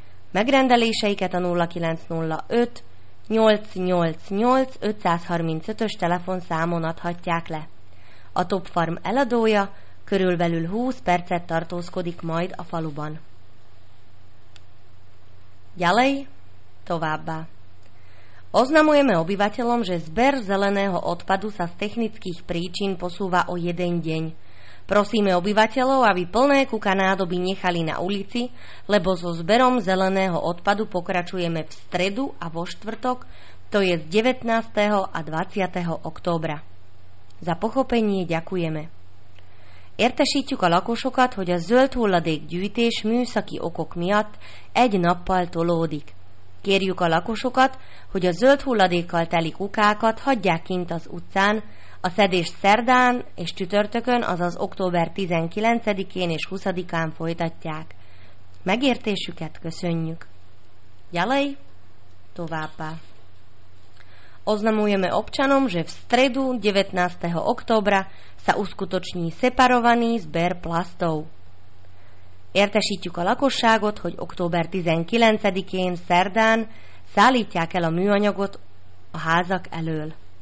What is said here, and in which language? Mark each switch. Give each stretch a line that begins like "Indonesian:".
Hungarian: Megrendeléseiket a 0905 888 535-ös telefonszámon adhatják le. A Top Farm eladója körülbelül 20 percet tartózkodik majd a faluban.
Slovak: Ďalej,
Hungarian: továbbá.
Slovak: Oznamujeme obyvateľom, že zber zeleného odpadu sa z technických príčin posúva o jeden deň. Prosíme obyvateľov, aby plné kuka nádoby nechali na ulici, lebo so zberom zeleného odpadu pokračujeme v stredu a vo štvrtok, to je z 19. a 20. októbra. Za pochopenie ďakujeme.
Hungarian: Értesítjük a lakosokat, hogy a zöld hulladék gyűjtés műszaki okok miatt egy nappal tolódik. Kérjük a lakosokat, hogy a zöld hulladékkal teli kukákat hagyják kint az utcán, a szedést szerdán és csütörtökön, azaz október 19-én és 20-án folytatják. Megértésüket köszönjük.
Slovak: Ďalej,
Hungarian: továbbá.
Slovak: Oznamujeme občanom, že v stredu 19. októbra sa uskutoční separovaný zber plastov.
Hungarian: Értesítjük a lakosságot, hogy október 19-én szerdán szállítják el a műanyagot a házak elől.